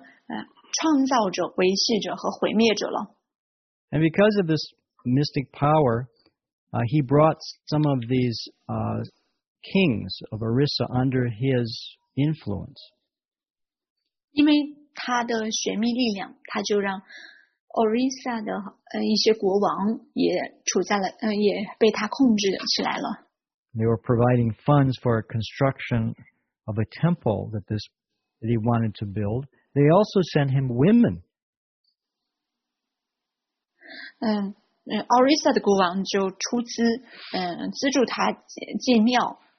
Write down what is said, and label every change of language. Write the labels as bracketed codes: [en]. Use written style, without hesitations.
[zh] 那他们三个人搭档一起就成为了整个宇宙的创造者、维系者和毁灭者了。 [en] And because of this mystic power, he brought some of these kings of Orissa under his influence. [zh] 因为他的玄秘力量，他就让 Orissa 的一些国王也被他控制起来了。 [en] They were providing funds for a construction of a temple that he wanted to build. They also sent him women. [zh] Orissa 的国王就出资资助他建庙。